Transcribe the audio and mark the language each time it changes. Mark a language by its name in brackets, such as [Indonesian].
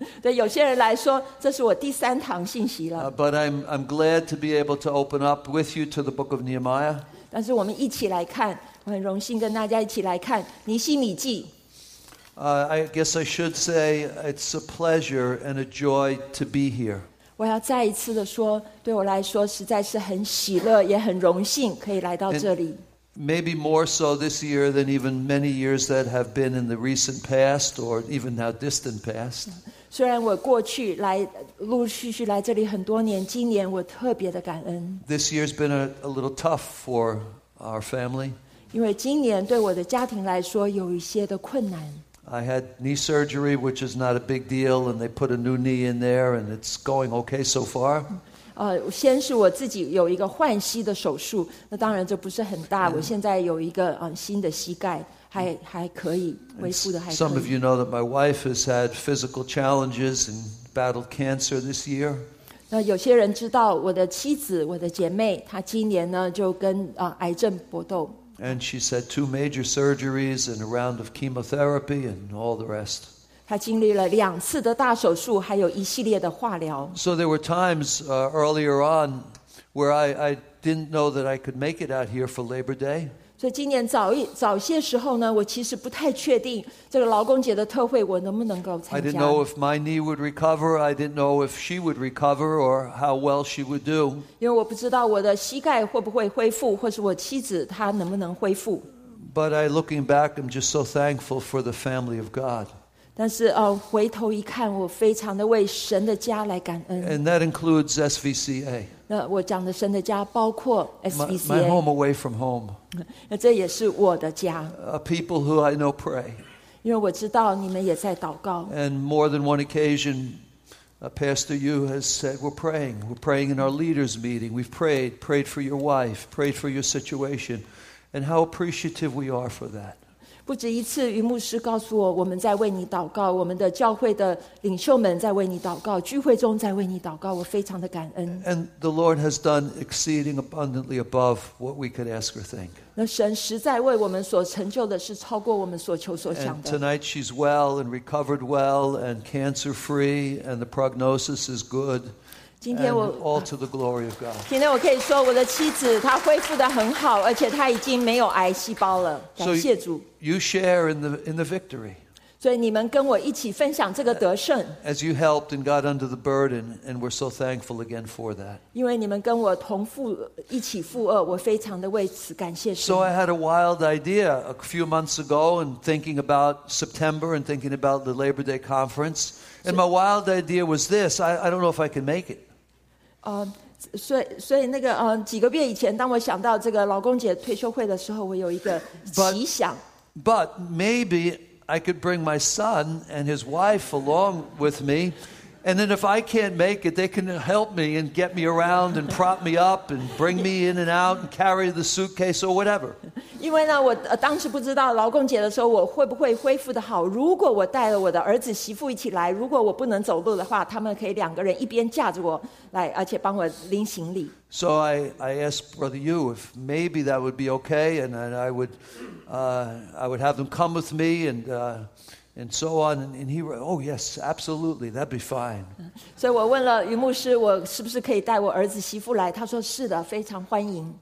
[English] But I'm glad to be able to open up with you to the book of Nehemiah. [Chinese] 但是我们一起来看，我很荣幸跟大家一起来看《尼希米记》。 [English] I guess I should say it's a pleasure and a joy to be here. [Chinese] 我要再一次的说，对我来说实在是很喜乐，也很荣幸可以来到这里。 [English] Maybe more so this year than even many years that have been in the recent past or even now distant past. [Chinese] 虽然我过去来陆陆续续来这里很多年，今年我特别的感恩。 [English] This year's been a little tough for our family. [Chinese] 因为今年对我的家庭来说有一些的困难。 [English] I had knee surgery, which is not a big deal, and they put a new knee in there, and it's going okay so far. [Chinese] 先是我自己有一个换膝的手术，那当然这不是很大。我现在有一个新的膝盖。还可以恢复的还可以。 [English] Some of you know that my wife has had physical challenges and battled cancer this year. [Chinese] 那有些人知道我的妻子，我的姐妹，她今年呢就跟癌症搏斗。 [English] And she had two major surgeries and a round of chemotherapy and all the rest. [Chinese] 她经历了两次的大手术，还有一系列的化疗。 [English] So there were times earlier on where I didn't know that I could make it out here for Labor Day. [Chinese] 所以今年早些时候呢，我其实不太确定这个劳工节的特会我能不能够参加。 [English] I didn't know if my knee would recover. I didn't know if she would recover or how well she would do. [Chinese] 因为我不知道我的膝盖会不会恢复，或是我妻子她能不能恢复。 [English] But I looking back, I'm just so thankful for the family of God. [Chinese] 但是回头一看，我非常的为神的家来感恩。 [English] And that includes SVCA. [Chinese] 那我讲的神的家包括 SVCA [English] my home away from home [Chinese] 那这也是我的家 [English] people who I know pray [Chinese] 因为我知道你们也在祷告 [English] and more than one occasion Pastor Yu has said we're praying in our leaders meeting we've prayed for your wife prayed for your situation and how appreciative we are for that [Chinese] 不止一次于牧师告诉我，我们在为你祷告，我们的教会的领袖们在为你祷告，聚会中在为你祷告，我非常的感恩。 [English] And the Lord has done exceeding abundantly above what we could ask or think. [Chinese] 那神实在为我们所成就的是超过我们所求所想的。 [English] And tonight she's well and recovered well and cancer free and the prognosis is good. [Chinese] 今天我 [English] and all to the glory of God. [Chinese] 今天我可以说我的妻子她恢复得很好，而且她已经没有癌细胞了，感谢主。 [English] You share in the victory. [Chinese] 所以你们跟我一起分享这个得胜。 [English] As you helped and got under the burden, and we're so thankful again for that. [Chinese] 因为你们跟我同负一起负轭，我非常的为此感谢神。 [English] So I had a wild idea a few months ago, and thinking about September and thinking about the Labor Day conference, and my wild idea was this: I don't know if I can make it. [Chinese] 所以那个几个月以前，当我想到这个劳工节退休会的时候，我有一个奇想。 [English] But maybe I could bring my son and his wife along with me, and then if I can't make it, they can help me and get me around and prop me up and bring me in and out and carry the suitcase or whatever. [Chinese] 因为呢，我当时不知道劳工节的时候我会不会恢复得好。如果我带了我的儿子媳妇一起来，如果我不能走路的话，他们可以两个人一边架着我来，而且帮我拎行李。 [English] So I asked Brother Yu if maybe that would be okay, and I would have them come with me and so on. And he wrote, "Oh yes, absolutely, that'd be fine." So I asked [Chinese] 于牧师我是不是可以带我儿子媳妇来？他说是的，非常欢迎。